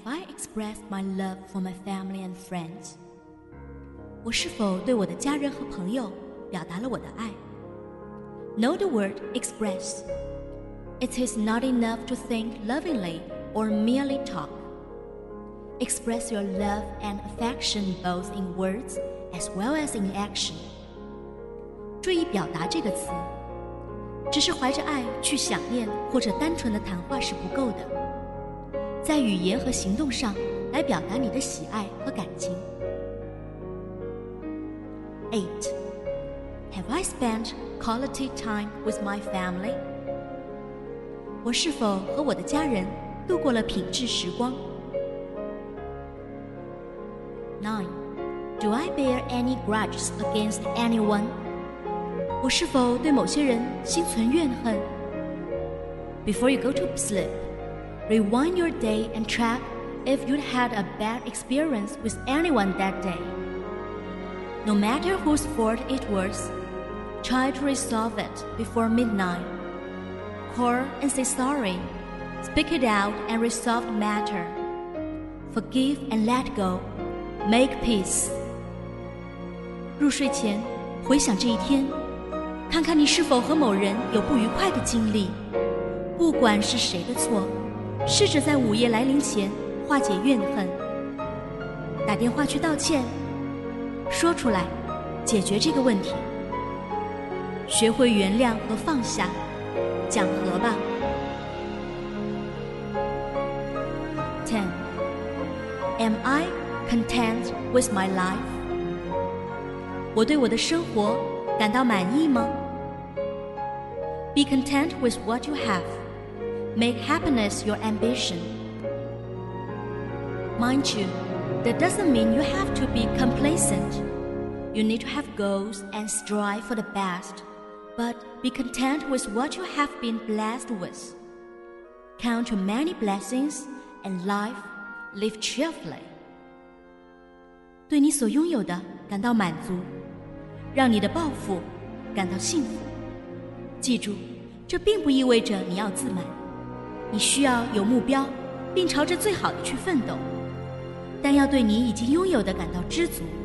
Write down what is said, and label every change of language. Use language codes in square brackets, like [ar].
[en] Express my love for my family and friends. [zh] 我是否对我的家人和朋友表达了我的爱？ [en] Know the word express. It is not enough to think lovingly or merely talk. Express your love and affection both in words as well as in action. [zh] 注意表达这个词，只是怀着爱去想念或者单纯的谈话是不够的，在语言和行动上来表达你的喜爱和感情。 [en] 8. Have I spent quality time with my family? [zh] 我是否和我的家人度过了品质时光？ [en] 9. Do I bear any grudges against anyone? [zh] 我是否对某些人心存怨恨？ [en] Before you go to sleep,Rewind your day and track if you'd had a bad experience with anyone that day. No matter whose fault it was, try to resolve it before midnight. Call and say sorry. Speak it out and resolve the matter. Forgive and let go. Make peace. [zh] 入睡前回想这一天，看看你是否和某人有不愉快的经历，不管是谁的错，试着在午夜来临前化解怨恨，打电话去道歉，说出来解决这个问题，学会原谅和放下，讲和吧。 [en] 10. Am I content with my life? [zh] 我对我的生活感到满意吗？ [en] Be content with what you haveMake happiness your ambition. Mind you, that doesn't mean you have to be complacent. You need to have goals and strive for the best, but be content with what you have been blessed with. Count your many blessings and life, live cheerfully. [zh] 对你所拥有的感到满足，让你的抱负感到幸福。记住，这并不意味着你要自满。你需要有目标，并朝着最好的去奋斗，但要对你已经拥有的感到知足。